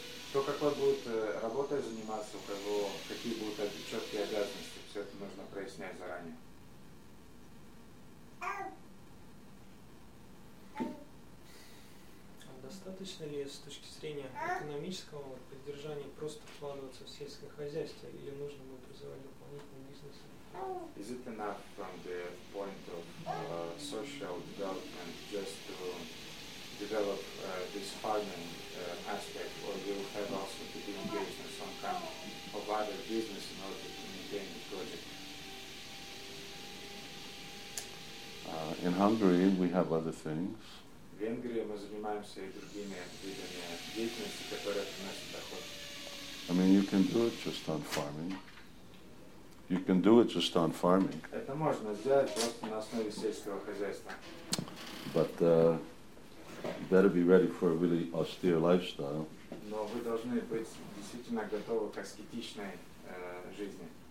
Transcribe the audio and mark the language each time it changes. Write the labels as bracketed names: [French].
[Russian] Кто какой будет работой заниматься, у кого какие будут четкие обязанности, все это нужно прояснять заранее. Достаточно ли с точки зрения экономического поддержания просто вкладываться в сельское хозяйство или нужно будет развивать дополнительный бизнес? [English] Is it enough from the point of social development just to develop this farming aspect, or you have also to be engaged in some kind of other business in order to maintain the project? In Hungary we have other things. [Russian] В Венгрии мы занимаемся и другими видами деятельности, которые приносят доход. [English] I mean, you can do it just on farming. You can do it just on farming. [Russian] Это можно сделать просто на основе сельского хозяйства. [English] But you better be ready for a really austere lifestyle. [Russian] Но вы должны быть действительно готовы к аскетичной жизни.